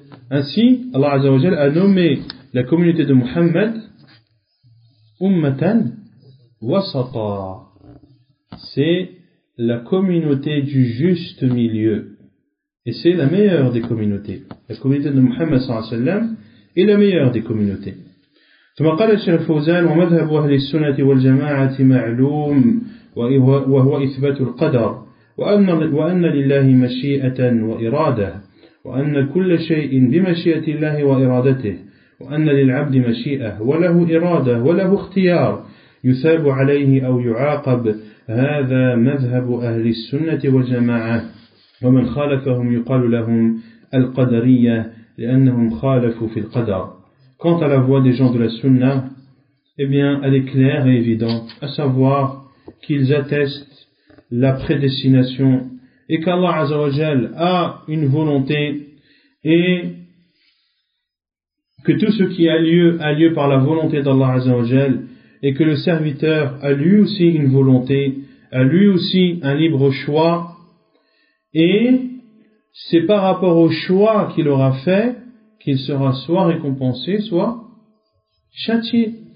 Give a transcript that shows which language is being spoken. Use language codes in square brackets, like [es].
[fr] Ainsi, Allah Azza wa Jal a nommé la communauté de Muhammad Ummatan Wasata. C'est la communauté du juste milieu. Et c'est la meilleure des communautés. La communauté de Muhammad sallallahu alayhi wa sallam est la meilleure des communautés. [ar] ثم قال الشيخ الفوزان ومذهب أهل السنة والجماعة معلوم وهو إثبات القدر وأن لله مشيئة وإرادة وأن كل شيء بمشيئة الله وإرادته وأن للعبد مشيئة وله إرادة وله اختيار يثاب عليه أو يعاقب هذا مذهب أهل السنة والجماعة ومن خالفهم يقال لهم القدرية لأنهم خالفوا في القدر. [fr] Quant à la voie des gens de la Sunna, eh bien, elle est claire et évidente, à savoir qu'ils attestent la prédestination et qu'Allah Azzawajal a une volonté et que tout ce qui a lieu par la volonté d'Allah Azzawajal et que le serviteur a lui aussi une volonté, a lui aussi un libre choix et c'est par rapport au choix qu'il aura fait qu'il sera soit récompensé, soit châtié.